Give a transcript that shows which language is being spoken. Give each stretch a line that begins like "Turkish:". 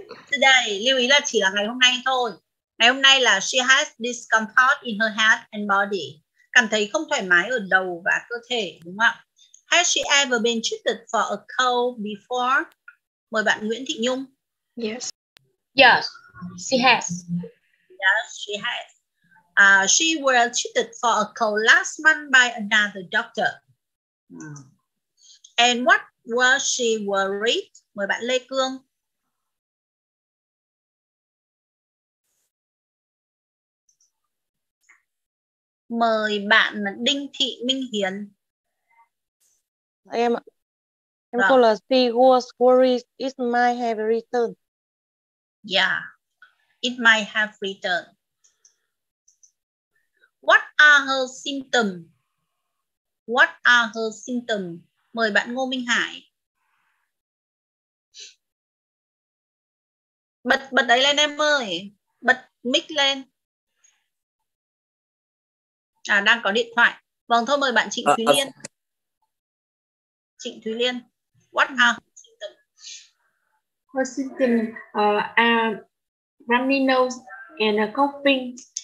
Vietnamese: Today, lưu ý là chỉ là ngày hôm nay thôi. Ngày hôm nay là
English: she has discomfort in her head and body.
Vietnamese: Cảm thấy không thoải mái ở đầu và cơ thể, đúng không ạ?
English: Has she ever been treated for a cold before?
Vietnamese: Mời bạn Nguyễn Thị Nhung.
English: Yes. Yes, she has. Yes, she has. She was treated for a cold last month by another doctor. And what was she worried?
Vietnamese: Mời bạn
English: Lê Cương.
Vietnamese: Mời bạn Đinh Thị Minh Hiền. Em ạ. Em cô là
English: she was worried it might have returned. Yeah, it might have returned. What are her symptoms? What are her symptoms?
Vietnamese: Mời bạn Ngô Minh Hải. Bật đấy lên em ơi. Bật mic lên. À, đang có điện thoại. Vâng, thôi mời bạn Trịnh Thúy Liên.
English: Trịnh Thúy Liên. What are her symptoms? Her symptoms are runny nose and a coughing.